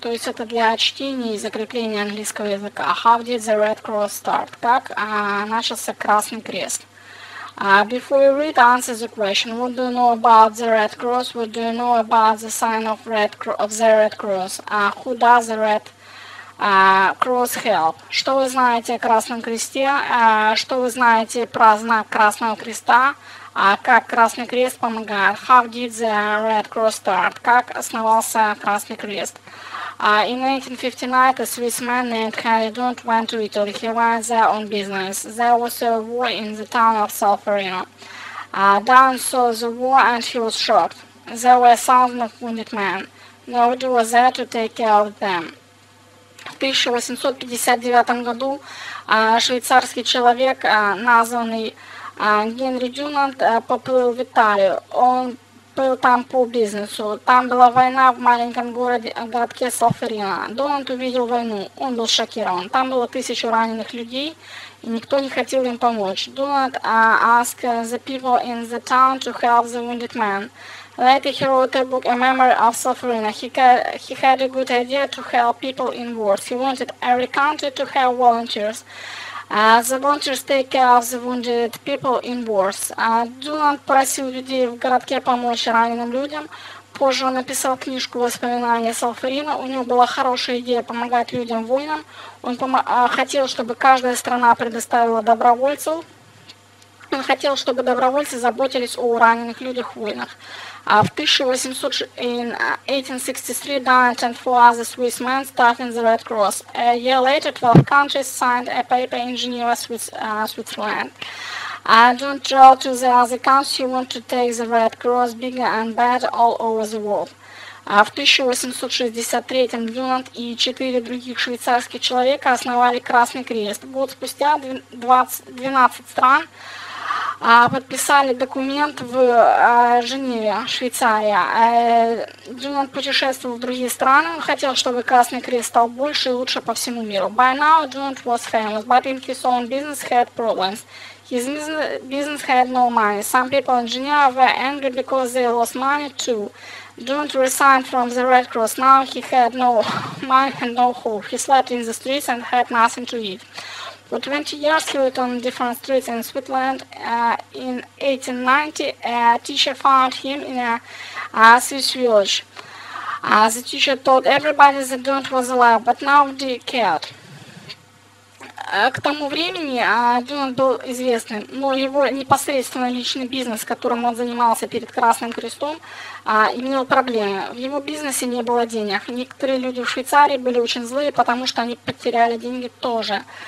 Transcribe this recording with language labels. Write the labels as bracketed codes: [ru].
[ru] То есть это для чтения и закрепления английского языка. [en] How did the Red Cross start? [ru] Как начался Красный Крест? [en] Before you read, answer the question. What do you know about the Red Cross? What do you know about the sign of the Red Cross? Who does the Red Cross help? [ru] Что вы знаете о Красном Кресте? Что вы знаете про знак Красного Креста? Как Красный Крест помогает? [en] How did the Red Cross start? [ru] Как основался Красный Крест? [en] In 1859, a Swiss man named Henry Dunant went to Italy. He went there on business. There was a war in the town of Solferino. Dunant saw the war and he was shocked. There were thousands of wounded men. Nobody was there to take care of them. [ru] В 1859 году швейцарский человек, названный Генри Дюнант, поплыл в Италию. Он был там по бизнесу. Там была война в маленьком городке Солферино. Дюнант увидел войну. Он был шокирован. Там было 1000 раненых людей, и никто не хотел им помочь. [en] Дюнант asked the people in the town to help the wounded man. Later he wrote a book, A Memory of Solferino. He had a good idea to help people in war. He wanted every country to have volunteers. The volunteers take care of the wounded people in wars. [ru] Дюнант просил людей в городке помочь раненым людям. Позже он написал книжку «Воспоминания Солферино». У него была хорошая идея помогать людям воинам. Он хотел, чтобы каждая страна предоставила добровольцев. Он хотел, чтобы добровольцы заботились о раненых людях воинах. [en] В 1863 Dunant and four other Swiss men started the Red Cross. A year later, 12 countries signed a paper in Geneva, Switzerland. Dunant traveled to the other countries. He wanted to take the Red Cross bigger and better all over the world. [ru] В 1863 Дюнант и четыре других швейцарских человека основали Красный Крест. Год спустя 12 стран подписали документ в Женеве, Швейцария. Дюнант путешествовал в другие страны. Он хотел, чтобы Красный Крест стал больше и лучше по всему миру. [en] By now Дюнант was famous, but in his own business had problems. His business had no money. Some people in Geneva were angry because they lost money too. Dunant resigned from the Red Cross. Now he had no money and no hope. He slept in the streets and had nothing to eat. For 20 years he lived on different streets in Switzerland. In 1890, a teacher found him in a Swiss village. The teacher told everybody that Dunant was alive, but nobody cared. [ru] К тому времени Дюнант был известным, но его непосредственно личный бизнес, которым он занимался перед Красным Крестом, имел проблемы. В его бизнесе не было денег. Некоторые люди в Швейцарии были очень злые, потому что они потеряли деньги тоже.